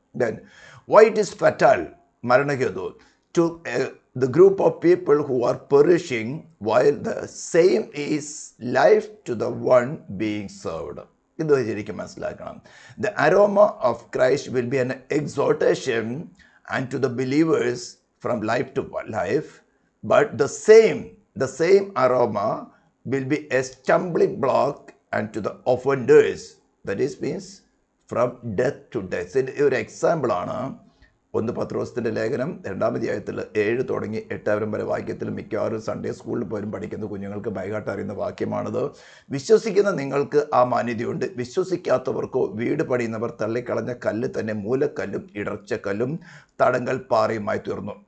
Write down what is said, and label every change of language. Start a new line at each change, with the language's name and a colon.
English: Then what is fatal മരണഹേതു to the group of people who are perishing while the same is life to the one being served.
Malayalam: ഇത് ശരിക്കും മനസ്സിലാക്കണം.
English: The aroma of Christ will be an exhortation and to the believers from life to life. But the same aroma will be a stumbling block and to the offenders. That is means from death to death. In your example,
Malayalam: ഒന്ന് പത്രോസിൻ്റെ ലേഖനം രണ്ടാം അധ്യായത്തിൽ 7 തുടങ്ങി 8 വരെ വാക്യത്തിൽ മിക്കവാറും Sunday സ്കൂളിൽ പോലും പഠിക്കുന്ന കുഞ്ഞുങ്ങൾക്ക് ബൈഗാട്ട് അറിയുന്ന വാക്യമാണത്. വിശ്വസിക്കുന്ന നിങ്ങൾക്ക് ആ മാന്യതയുണ്ട്, വിശ്വസിക്കാത്തവർക്കോ വീട് പണിയുന്നവർ തള്ളിക്കളഞ്ഞ കല്ല് തന്നെ മൂലക്കല്ലും ഇടർച്ചക്കല്ലും തടങ്കൽ പാറയുമായി തീർന്നു.